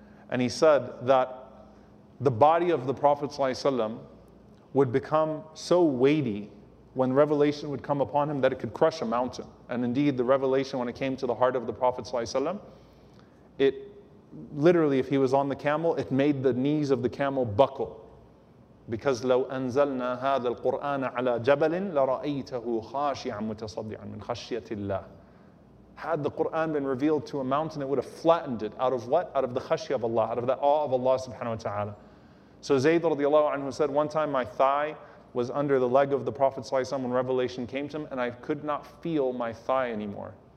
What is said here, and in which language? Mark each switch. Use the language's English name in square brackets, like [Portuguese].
[English] And he said that the body of the Prophet ﷺ would become so weighty when revelation would come upon him that it could crush a mountain. And indeed, the revelation, when it came to the heart of the Prophet ﷺ, it literally, if he was on the camel, it made the knees of the camel buckle. Because [Arabic] لو أنزلنا هذا القرآن على جبل لرأيته خاشيا متصدعا من خشية الله. [English] Had the Qur'an been revealed to a mountain, it would have flattened it. Out of what? Out of the khashya of Allah, out of the awe of Allah subhanahu wa ta'ala. So Zayd radiallahu anhu said, one time my thigh was under the leg of the Prophet sallallahu alayhi wa sallam when revelation came to him, and I could not feel my thigh anymore.